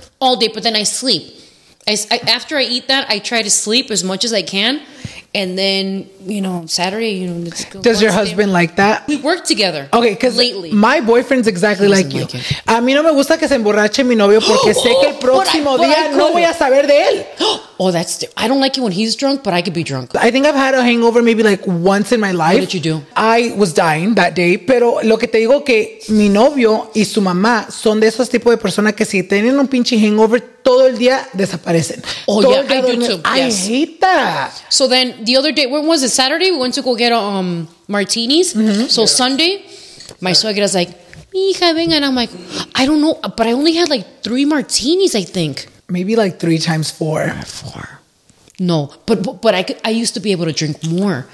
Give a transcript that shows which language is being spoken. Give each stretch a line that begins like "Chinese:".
English: All day, but then I sleep. After I eat that, I try to sleep as much as I can. And then, you know, Saturday, you know. Does your husband like that? We work together. Okay, because lately my boyfriend's exactly like you.
Spanish: A mí no me gusta que se emborrache mi novio porque sé que el próximo día no voy a saber de él.
English: Oh, that's. I don't like it when he's drunk, but I could be drunk. I think I've had a hangover maybe like once in my life. What did you do? I was dying that day.
Spanish: Pero lo que te digo que mi novio y su mamá son de esos tipos de personas que si tienen un pinche hangover, todo el día desaparecen.
English: Oh,
Spanish: todo
English: yeah, I do too. Yes. I hate that. So then the other day, when was it? Saturday? We went to go get martinis. Mm-hmm. So yes. Sunday, my suegra's like,
Spanish: mija, venga.
English: And I'm like, I don't know. But I only had like 3 martinis, I think. Maybe like 3 times 4. No, but I used to be able to drink more.